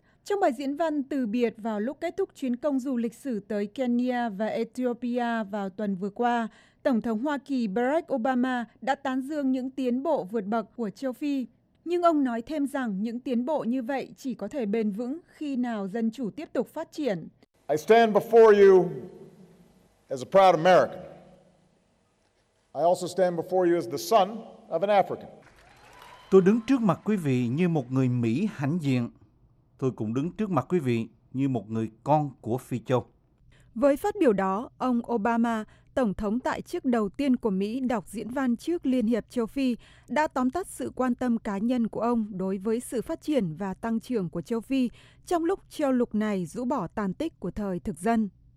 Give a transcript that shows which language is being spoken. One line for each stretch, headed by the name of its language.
Vietnamese: Trong bài diễn văn từ biệt vào lúc kết thúc chuyến công du lịch sử tới Kenya và Ethiopia vào tuần vừa qua, Tổng thống Hoa Kỳ Barack Obama đã tán dương những tiến bộ vượt bậc của Châu Phi. Nhưng ông nói thêm rằng những tiến bộ như vậy chỉ có thể bền vững khi nào dân chủ tiếp tục phát triển.
English: I stand before you as a proud American. I also stand before you as the son of an African.
Vietnamese: Tôi đứng trước mặt quý vị như một người Mỹ hãnh diện. Tôi cũng đứng trước mặt quý vị như một người con của Phi Châu. Với phát biểu đó, ông Obama, Tổng thống tại chức đầu tiên của Mỹ đọc diễn văn trước Liên hiệp Châu Phi, đã tóm tắt sự quan tâm cá nhân của ông đối với sự phát triển và tăng trưởng của Châu Phi trong lúc châu lục này rũ bỏ tàn tích của thời thực dân.